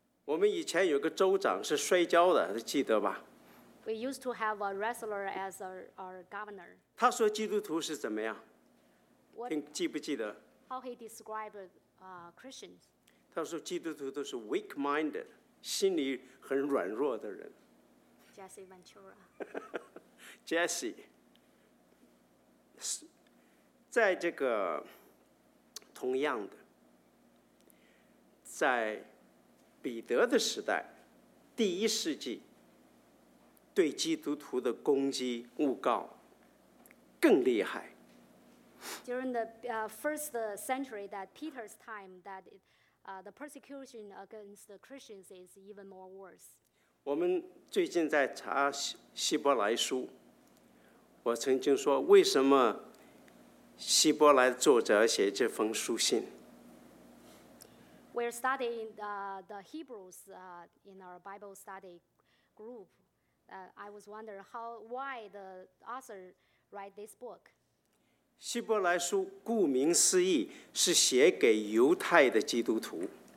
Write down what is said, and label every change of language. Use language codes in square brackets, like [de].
[zh] 我们以前有个州长是摔跤的，记得吧？ [en] We used to have a wrestler as our governor. [zh] 他说基督徒是怎么样？ [en] What, [zh] 记不记得？ [en] How he described Christians? [zh] 他说基督徒都是 weak-minded， 心里很软弱的人。 [en] Jesse Ventura. [zh] Jesse， 在这个同样的，在彼得的时代，第一世纪，对基督徒的攻击、诬告更厉害。During [en] the first century, that Peter's time, that the persecution against the Christians is even more worse. [zh] 我们最近在查希伯来书，我曾经说，为什么希伯来作者写这封书信？ [en] We're studying the Hebrews in our Bible study group. I was wondering why the author write this book. [zh] 希伯来书顾名思义是写给犹太的基督徒。